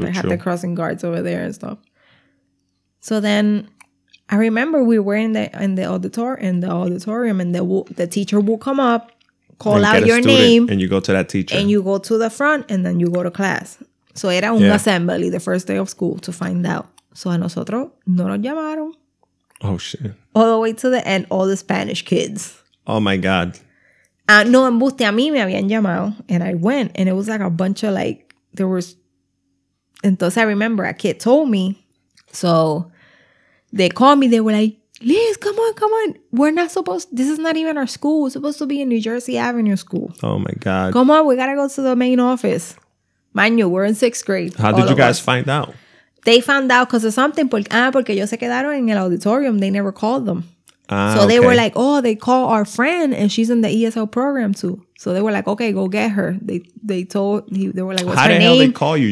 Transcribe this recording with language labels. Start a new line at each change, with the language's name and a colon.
English: They had the crossing guards over there and stuff. So then I remember we were in the auditorium and the teacher will come up, call out your name. And you go to that teacher. And you go to the front and then you go to class. So
Spanish: era un
English: assembly the first day of school to find out.
Spanish: So a nosotros no nos llamaron.
English: Oh, shit. All the way to the end, all the Spanish kids. Oh, my God.
Spanish: No, embuste, a mí me habían llamado.
English: And I went. And it was like a bunch of like, there was. Entonces I remember a kid told me. So they called me. They were like, Liz, come on. We're not supposed, this is not even our school. We're supposed to be in New Jersey Avenue School. Oh, my God. Come on, we got to go to the main office. Mind you, we're in sixth grade. How did you guys find out? They found out because of something.
Spanish: Porque ellos se quedaron en el auditorium.
English: They never called them. They were like, oh, they call our friend and she's in the ESL program too. So they were like, okay, go get her. They told, they were like, what's her name? How the hell they call you?